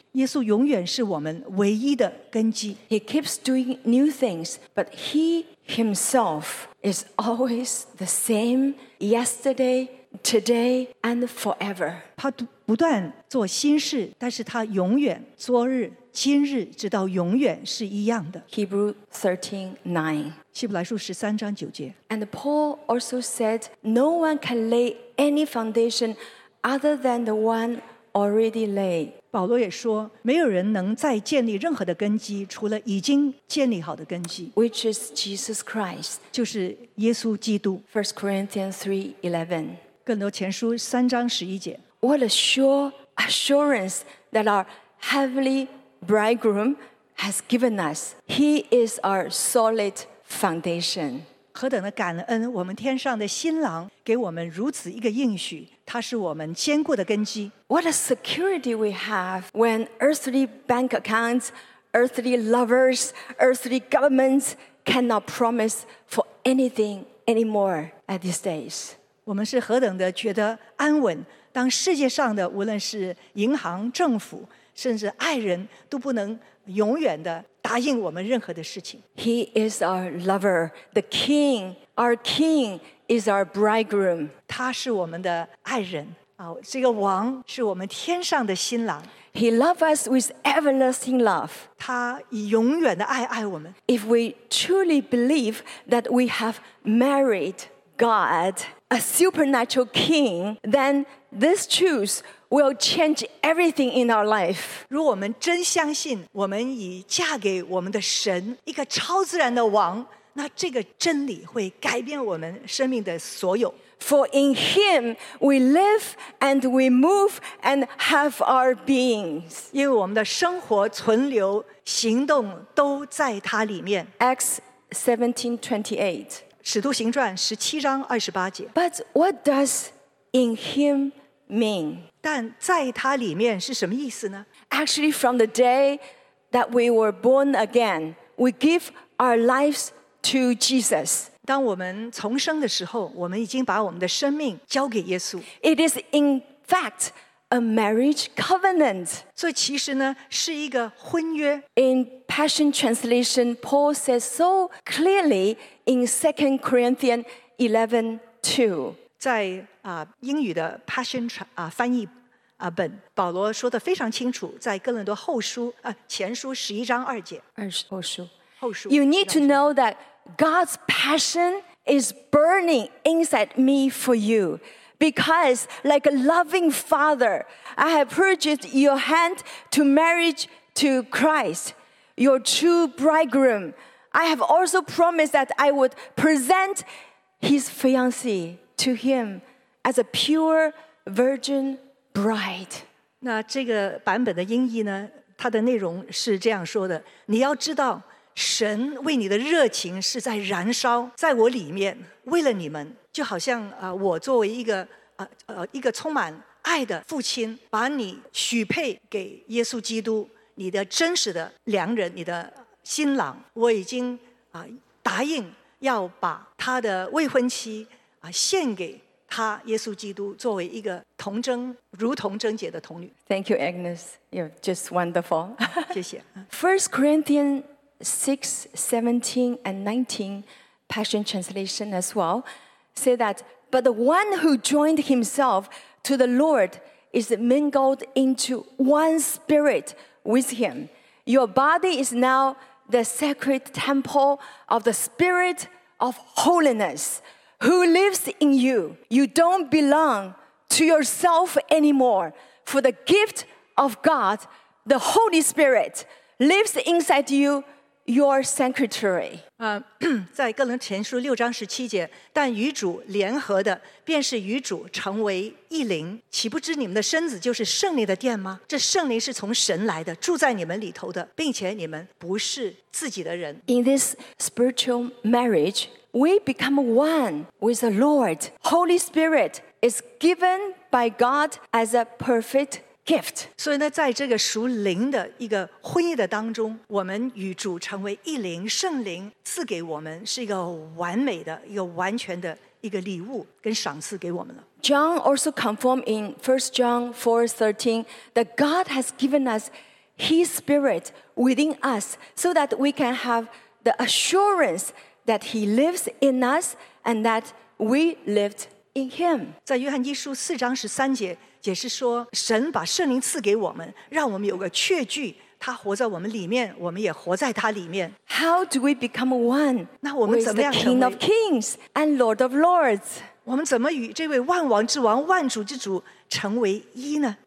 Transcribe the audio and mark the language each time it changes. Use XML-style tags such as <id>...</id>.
<zh>耶稣永远是我们唯一的根基。</zh> <en>He keeps doing new things, but he himself is always the same yesterday, today, and forever.</en> <zh>他不断做新事，但是他永远昨日今日直到永远是一样的。</zh> <en>Hebrews 13:9</en> <zh>希伯来书十三章九节。</zh> <en>And Paul also said, no one can lay any foundation other than the one already laid.</en> <zh>保罗也说，没有人能再建立任何的根基，除了已经建立好的根基。</zh> <en>Which is Jesus Christ.</en> <zh>就是耶稣基督。</zh> <en>1 Corinthians 3:11</en> <zh>更多前书三章十一节。</zh> <en>What a sure assurance that our heavenly bridegroom has given us. He is our solid foundation.</en> <zh>何等的感恩，我们天上的新郎给我们如此一个应许，他是我们坚固的根基。</zh> <en>What a security we have when earthly bank accounts, earthly lovers, earthly governments cannot promise for anything anymore at these days.</en> <zh>我们是何等的觉得安稳，当世界上的无论是银行、政府甚至爱人都不能永远的答应我们任何的事情。</zh> <en>He is our lover, the king. Our king is our bridegroom.</en> <zh>他是我们的爱人，这个王是我们天上的新郎。</zh> <en>He loves us with everlasting love.</en> <zh>他以永远的爱爱我们。</zh> <en>If we truly believe that we have married God, a supernatural king, then this truth will change everything in our life.</en> <zh>如果我们真相信我们已嫁给我们的神，一个超自然的王，那这个真理会改变我们生命的所有。</zh> <en>For in him we live and we move and have our beings.</en> <zh>因为我们的生活、存留、行动都在他里面。</zh> <en>Acts 17:28</en> <zh>使徒行传十七章二十八节。</zh> <en>But what does in him mean?</en> <zh>但在他里面是什么意思呢？</zh> <en>Actually, from the day that we were born again, we give our lives to Jesus.</en> <zh>当我们重生的时候，我们已经把我们的生命交给耶稣。</zh> <en>It is in fact a marriage covenant.</en> <zh>所以其实呢，是一个婚约。</zh> <en>In Passion Translation, Paul says so clearly in 2 Corinthians 11:2</en> <zh>在英语的 Passion 翻译本，保罗说的非常清楚，在哥林多后书前书11:2 后书</zh> <en>You need to know that God's passion is burning inside me for you. Because like a loving father, I have purchased your hand to marriage to Christ, your true bridegroom. I have also promised that I would present his fiancée to him as a pure virgin bride.</en> <zh>那这个版本的音译呢，它的内容是这样说的，你要知道神为你的热情是在燃烧，在我里面，为了你们，就好像我作为一个充满爱的父亲，把你许配给耶稣基督，你的真实的良人，你的新郎，我已经答应要把他的未婚妻献给他耶稣基督，作为一个童贞，如童贞洁的童女。</zh> <en>Thank you, Agnes. You're just wonderful.</en> <zh>谢谢。</zh> <en>First Corinthians 6:17-19, Passion Translation as well, say that, but the one who joined himself to the Lord is mingled into one spirit with him. Your body is now the sacred temple of the Spirit of holiness who lives in you. You don't belong to yourself anymore, for the gift of God, the Holy Spirit, lives inside you. Your sanctuary.</en> <zh>在哥林前书6:17，但与主联合的，便是与主成为一灵。岂不知你们的身子就是圣灵的殿吗？这圣灵是从神来的，住在你们里头的，并且你们不是自己的人。</zh> <en>In this spiritual marriage, we become one with the Lord. Holy Spirit is given by God as a perfect. Gift.</en> <zh>所以呢，在这个属灵的一个婚姻的当中，我们与主成为一灵，圣灵赐给我们是一个完美的、一个完全的一个礼物跟赏赐给我们了。</zh> <en>John also confirmed in 1 John 4:13 that God has given us His Spirit within us so that we can have the assurance that He lives in us and that we lived in Him.</en> <zh>在约翰一书4:13。也是说神把圣灵赐给我们，让我们有个确据，他活在我们里面，我们也活在他里面。</zh> <en>How do we become one?</en> <zh>那我们怎么样成为</zh> <en>King of Kings and Lord of Lords?</en> <zh>我们怎么与这位万王之王、万主之主成为一呢？</zh>